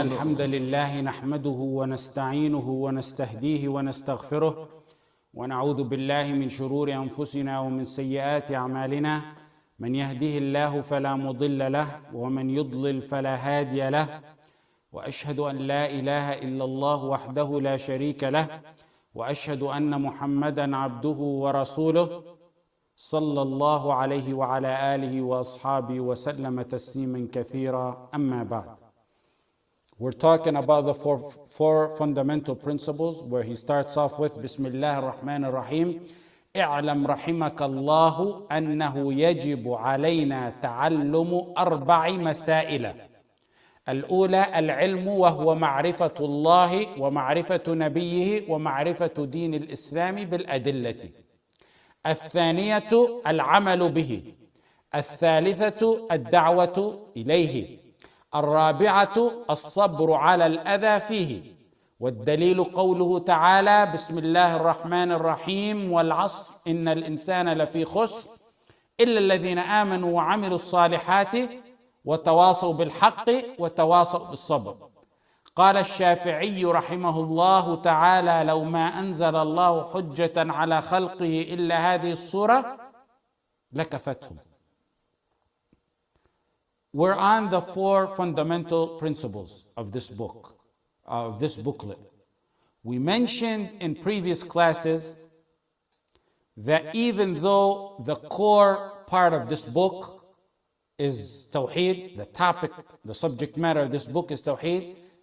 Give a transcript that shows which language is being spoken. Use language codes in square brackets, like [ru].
[ar] إن الحمد لله نحمده ونستعينه ونستهديه ونستغفره ونعوذ بالله من شرور أنفسنا ومن سيئات أعمالنا، من يهده الله فلا مضل له ومن يضلل فلا هادي له، وأشهد أن لا إله إلا الله وحده لا شريك له، وأشهد أن محمدًا عبده ورسوله صلى الله عليه وعلى آله وأصحابه وسلم تسليمًا كثيرًا. أما بعد، [en] we're talking about the four fundamental principles where he starts off with [ar] بسم الله الرحمن الرحيم. اعلم رحمك الله أنه يجب علينا تعلم أربع مسائل. الأولى العلم، وهو معرفة الله ومعرفة نبيه ومعرفة دين الإسلام بالأدلة. الثانية العمل به. الثالثة الدعوة إليه. الرابعة الصبر على الأذى فيه. والدليل قوله تعالى بسم الله الرحمن الرحيم والعصر إن الإنسان لفي خسر إلا الذين آمنوا وعملوا الصالحات وتواصوا بالحق وتواصوا بالصبر. قال الشافعي رحمه الله تعالى: لو ما أنزل الله حجة على خلقه إلا هذه الصورة لكفتهم. [en] We're on the four fundamental principles of this book, of this booklet. We mentioned in previous classes that even though the core part of this book is Tawheed, the topic, the subject matter of this book is Tawheed.